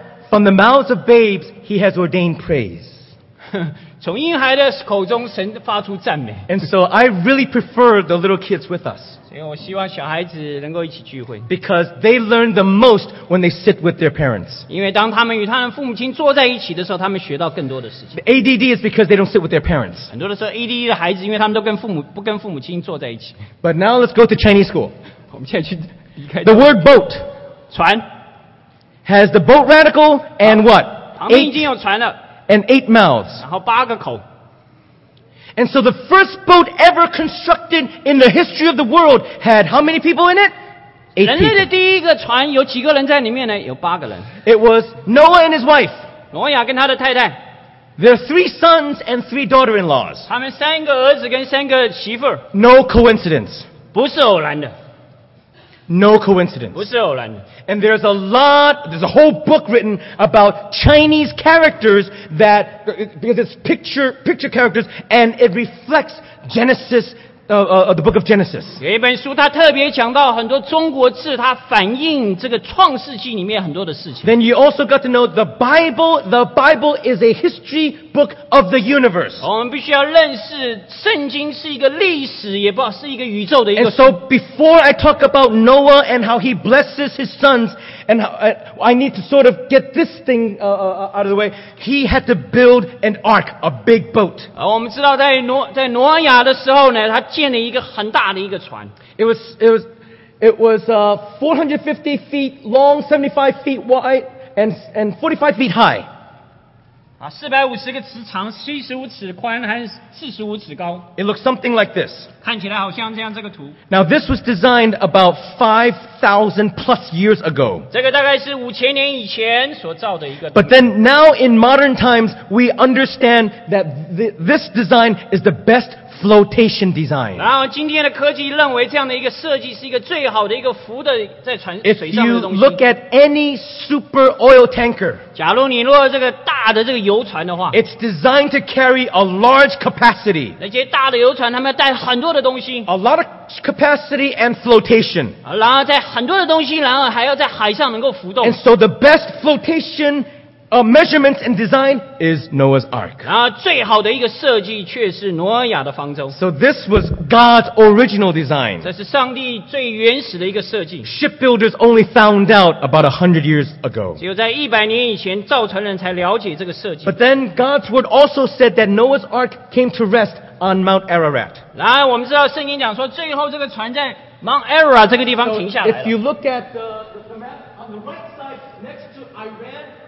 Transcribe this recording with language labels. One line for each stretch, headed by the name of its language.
English: From the mouths of babes, he has ordained praise.
Chinese: 从婴孩的口中，神发出赞美。
English: And so I really prefer the little kids with us.
Chinese: 所以我希望小孩子能够一起聚会。
English: Because they learn the most when they sit with their parents.
Chinese: 因为当他们与他们父母亲坐在一起的时候，他们学到更多的事情。
English: ADD is because they don't sit with their parents.
Chinese: 很多的时候 ，ADD 的孩子，因为他们都跟父母不跟父母亲坐在一起。
English: But now let's go to Chinese school.
Chinese: 我们现在去离开。
English: The word boat,
Chinese: 船
English: has the boat radical and what?
Chinese: 旁边已经有船了。
English: And eight mouths.
Chinese: 然后八个口。
English: And so the first boat ever constructed in the history of the world had how many people in it? Eight people.
Chinese: 人类的第一个船有几个人在里面呢？有八个人。
English: It was Noah and his wife.
Chinese: 挪亚跟他的太太。
English: There are three sons and three daughter-in-laws.
Chinese: 他们三个儿子跟三个媳妇。
English: No coincidence.
Chinese: 不是偶然的。
English: No coincidence.
Chinese: 不是偶然的。
English: And there's a whole book written about Chinese characters that, because it's picture characters, and it reflects Genesis the book of Genesis.
Chinese: 有一本书，它特别讲到很多中国字，它反映这个创世纪里面很多的事情。
English: Then you also got to know the Bible. The Bible is a history book of the universe.
Chinese: 我们必须要认识，圣经是一个历史，也不是一个宇宙的一个。
English: And so before I talk about Noah and how he blesses his sons, and how, I need to sort of get this thing out of the way. He had to build an ark, a big boat.
Chinese: 我们知道在挪亚的时候呢。他建了一个很大的一个船。
English: It was 450 feet long, 75 feet wide, and 45 feet high.
Chinese: 450个尺长, 75尺宽, 还是45尺高。
English: It looks something like this.
Chinese: 看起来好像这样这个图。
English: Now this was designed about 5,000 plus years ago.
Chinese: 这个大概是5,000年以前所造的一个图。
English: But then now in modern times, we understand that this design is the best flotation design.
Chinese: 然后今天的科技认为这样的一个设计是一个最好的一个浮的在船水上的东西。
English: If you look at any super oil tanker,
Chinese: 假如你落到这个大的这个油船的话,
English: it's designed to carry a large capacity.
Chinese: 那些大的油船他们要带很多的东西。
English: A lot of capacity and flotation.
Chinese: 然后在很多的东西, 然后还要在海上能够浮动。
English: And so the best flotation measurements and design is Noah's Ark.
Chinese: 然后最好的一个设计却是挪亚的方舟。
English: So this was God's original design.
Chinese: 这是上帝最原始的一个设计。
English: Shipbuilders only found out about 100 years ago.
Chinese: 只有在100年以前造船人才了解这个设计。
English: But then God's word also said that Noah's Ark came to rest on Mount Ararat.
Chinese: 然后我们知道圣经讲说最后这个船在Mount Ararat这个地方停下来了。
English: So if you look at the map on the right side next to Iran,